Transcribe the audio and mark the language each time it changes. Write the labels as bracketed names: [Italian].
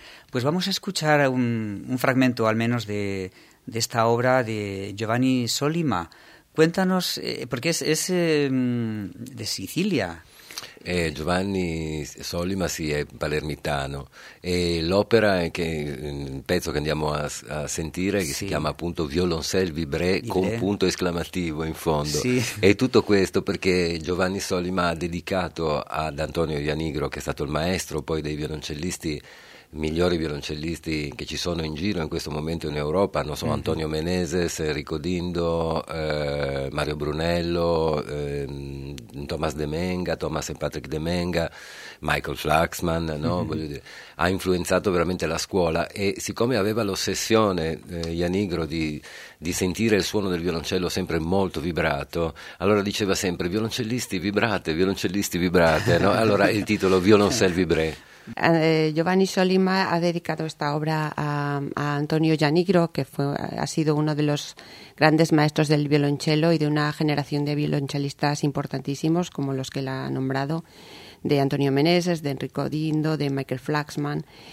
[Spanish] Pues vamos a escuchar un fragmento, al menos, de esta obra de Giovanni Solima. Cuéntanos, porque es de Sicilia. [Italian] Giovanni Solima, sì, è palermitano, e l'opera, il pezzo che andiamo a sentire, sì, che si chiama appunto Violoncel Vibré, con punto esclamativo in fondo, sì, è tutto questo perché Giovanni Solima ha dedicato ad Antonio Ianigro, che è stato il maestro poi dei violoncellisti, migliori violoncellisti che ci sono in giro in questo momento in Europa, non so, Antonio Meneses, Enrico Dindo, Mario Brunello, Thomas de Menga, Thomas e Patrick de Menga, Michael Flaxman, no? Voglio dire, ha influenzato veramente la scuola, e siccome aveva l'ossessione Ianigro di sentire il suono del violoncello sempre molto vibrato, allora diceva sempre: violoncellisti vibrate, no? Allora il titolo Violoncel Vibré. [Spanish] Giovanni Solima ha dedicado esta obra a Antonio Ianigro, que ha sido uno de los grandes maestros del violonchelo y de una generación de violonchelistas importantísimos, como los que la ha nombrado, de Antonio Meneses, de Enrico Dindo, de Michael Flaxman.